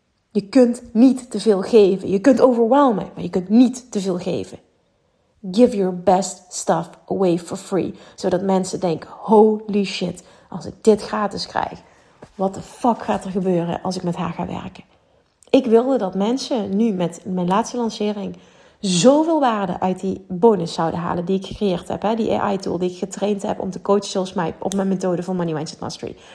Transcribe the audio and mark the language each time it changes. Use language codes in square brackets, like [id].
[nl] Je kunt niet te veel geven. Je kunt overwhelmen, maar je kunt niet te veel geven. [en] Give your best stuff away for free. [nl] Zodat mensen denken, [en] holy shit, [nl] als ik dit gratis krijg, [en] what the fuck [nl] gaat er gebeuren als ik met haar ga werken? Ik wilde dat mensen nu met mijn laatste lancering zoveel waarde uit die bonus zouden halen die ik gecreëerd heb. Hè? Die AI-tool die ik getraind heb om te coachen zoals mij op mijn methode van Money Mindset Mastery.